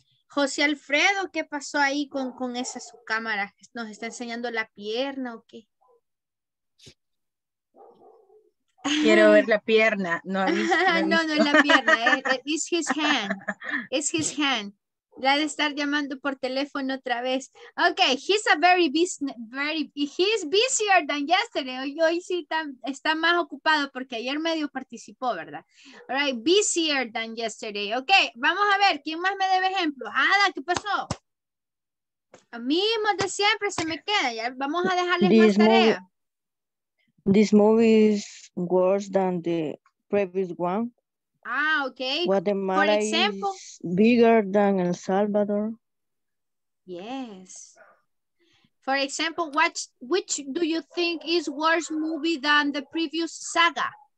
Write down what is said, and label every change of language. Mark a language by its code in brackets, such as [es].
[es] José Alfredo, ¿qué pasó ahí con esa su cámara? ¿Nos está enseñando la pierna o qué? Quiero ver la pierna. No, no, no es la pierna. [en] It's his hand. It's his hand. [es] La de estar llamando por teléfono otra vez. [en] Okay, he's a very busy, he's busier than yesterday. [es] Hoy sí está más ocupado porque ayer medio participó, ¿verdad? [en] All right, busier than yesterday. Okay, [es] vamos a ver, ¿quién más me debe ejemplo? Ada, ¿qué pasó? A mí mismo de siempre se me queda. Ya vamos a dejarles this más tarea. [en] This movie is worse than the previous one. Ah, okay. Guatemala, for example, is bigger than El Salvador. Yes. For example, which do you think is worse movie than the previous saga?